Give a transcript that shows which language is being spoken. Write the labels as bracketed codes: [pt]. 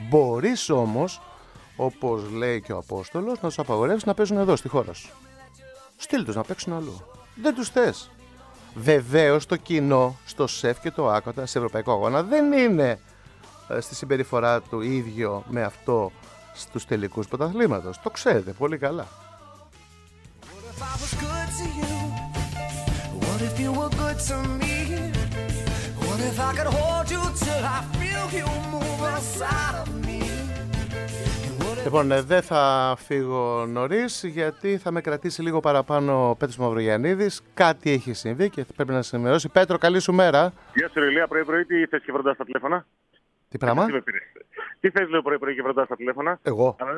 [el] Μπορείς όμως, όπως λέει και ο Απόστολος, να τους απαγορεύσεις να παίζουν εδώ στη χώρα σου. Στείλ τους να παίξουν αλλού. Δεν τους θες. Βεβαίως το κοινό στο ΣΕΦ και το ΆΚΟΤΑ σε ευρωπαϊκό αγώνα δεν είναι στη συμπεριφορά του ίδιο με αυτό στους τελικούς πρωταθλήματος. Το ξέρετε πολύ καλά. [en] What if I was good to you? What if you were good to me? What if I could hold you till I feel you move inside of me? And what [el] Λοιπόν, δεν θα φύγω νωρίς, γιατί θα με κρατήσει λίγο παραπάνω ο Πέτρος Μαυρογιαννίδης. Κάτι έχει συμβεί και πρέπει να σε ενημερώσει. Πέτρο, καλή σου μέρα. Γεια σου, Ηλία. Πρωί-πρωί, τι θες και βροντάς τα τηλέφωνα? Τι πράγμα? Τι θες, λέω, πρωί-πρωί και βροντάς τα τηλέφωνα? Εγώ.